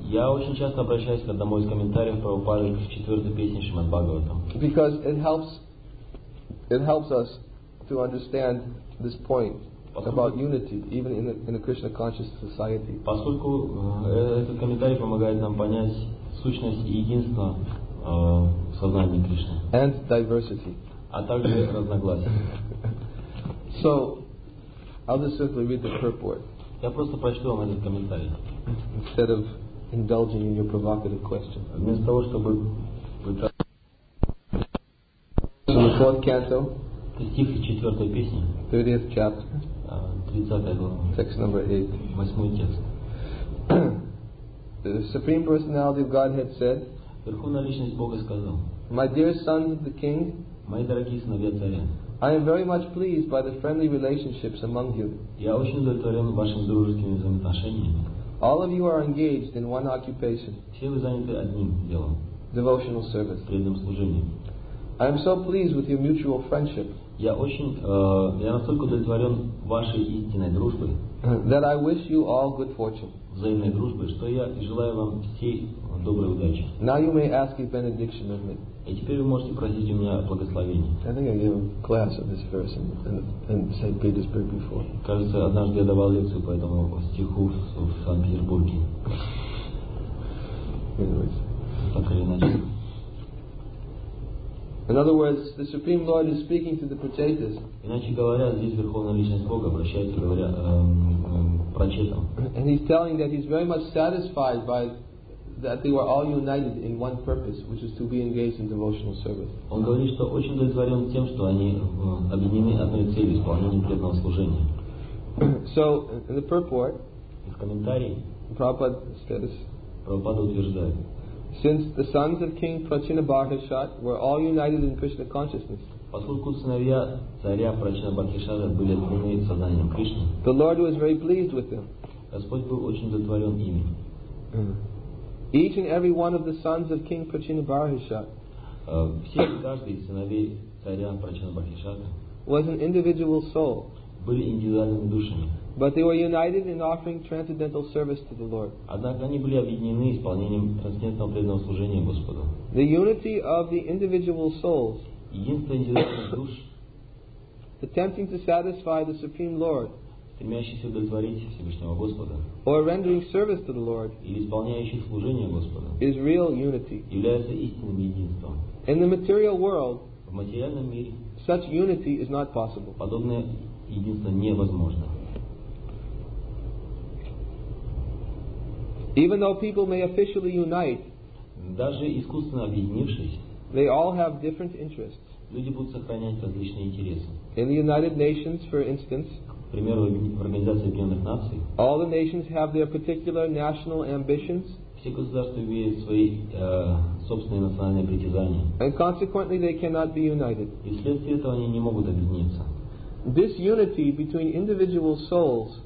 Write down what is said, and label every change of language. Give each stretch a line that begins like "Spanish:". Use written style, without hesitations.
Russian: Я очень часто обращаюсь к одному из комментариев Прабхупады к четвертой песне Шримад Бхагаватам.
English: Because it helps us to understand this point about unity, even in a Krishna conscious society.
Russian: Поскольку этот комментарий помогает нам понять сущность единства в сознании Кришны.
English: And diversity.
Russian: А также разногласия.
English: So I'll just simply read the purport.
Russian: Я просто прочту вам этот комментарий.
English: Instead of indulging in your provocative question.
Russian: Вместо того, чтобы
English: So the fourth canto.
Russian: Стих четвертой песни.
English: 30th chapter.
Russian: 30 глава.
English: Text number 8.
Russian: Восьмой текст.
English: The Supreme Personality of Godhead said.
Russian: Верховная личность Бога сказал.
English: My dear son, the king.
Russian: Мои дорогие сыновья царя.
English: I am very much pleased by the friendly relationships among you.
Russian: Я очень удовлетворен вашими дружескими взаимоотношениями.
English: All of you are engaged in one occupation.
Russian: Все вы заняты одним делом.
English: Devotional service.
Russian: Преданным служением.
English: I am so pleased with your mutual friendship.
Russian: Я очень, я настолько удовлетворен вашей истинной дружбой.
English: That I wish you all good fortune.
Russian: Взаимной дружбой, что я желаю вам всей доброй удачи.
English: Now you may ask a benediction of me.
Russian: И теперь вы можете просить у меня благословение.
English: I think I gave a class of this verse in St. Petersburg before.
Russian: Кажется, однажды я давал лекцию по этому стиху в Санкт-Петербурге. Так или иначе.
English: In other words, the Supreme Lord is speaking to the prachetas.
Russian: Иначе говоря, здесь Верховная Личность Бога обращается, говоря, прачетам.
English: And he's telling that he's very much satisfied by that they were all united in one purpose, which is to be engaged in devotional service.
Russian: Он говорит, что очень удовлетворен тем, что они объединены одной целью — исполнением преданного служения.
English: So, in the purport,
Russian: в комментарии,
English: Prabhupada
Russian: утверждает.
English: Since the sons of King Prachina Bhartishat were all united in Krishna consciousness,
Russian: поскольку сыновья царя Прачина Бхартишата были объединены сознанием Кришны,
English: the Lord was very pleased with them.
Russian: Господь был очень удовлетворен ими.
English: Each and every one of the sons of King Prachina Bhartishat,
Russian: все и каждый из сыновей царя Прачина Бхартишата,
English: was an individual soul,
Russian: были индивидуальными душами.
English: But they were united in offering transcendental service to the Lord.
Russian: Однако они были объединены исполнением трансцендентного преданного служения Господу.
English: The unity of the individual souls,
Russian: единство индивидуальных душ,
English: attempting to satisfy the Supreme Lord,
Russian: стремящийся удовлетворить Всевышнего Господа,
English: or rendering service to the Lord,
Russian: или исполняющий служение Господу,
English: is real unity.
Russian: Является истинным единством.
English: In the material world,
Russian: в материальном мире,
English: such unity is not possible.
Russian: Подобное единство невозможно.
English: Even though people may officially unite,
Russian: даже искусственно объединившись,
English: they all have different interests.
Russian: Люди будут сохранять различные интересы.
English: In the United Nations, for instance,
Russian: к примеру, в Организации Объединенных Наций,
English: all the nations have their particular national ambitions.
Russian: Все государства имеют свои собственные национальные притязания.
English: And consequently, they cannot be united.
Russian: И вследствие этого они не могут объединиться.
English: This unity between individual souls.